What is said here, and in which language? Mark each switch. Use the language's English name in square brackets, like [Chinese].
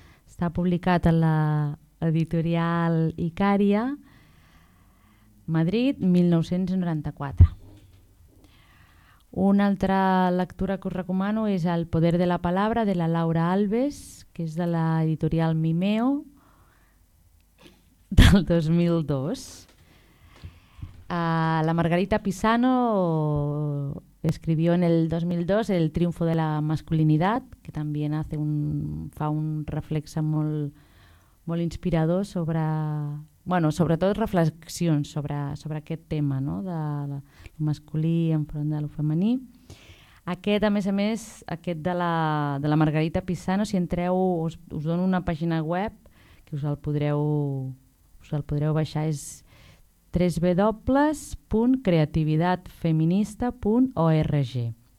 [Catalan] Està publicat a l'editorial Icària, Madrid, 1994. Una altra lectura que us recomano és El poder de la palabra, de la Laura Alves, que és de l'editorial Mimeo, del 2002. [Spanish] La Margarita Pisano escribió en el 2002 El triunfo de la masculinidad, que también hace [Catalan] fa un reflexo molt inspirador sobre, bueno, sobretot reflexions sobre aquest tema, no? De lo masculí enfront de lo femení. Aquest, a més, aquest de la Margarita Pisano, si entreu, us dono una pàgina web que us el podreu baixar, és www.creativitatfeminista.org.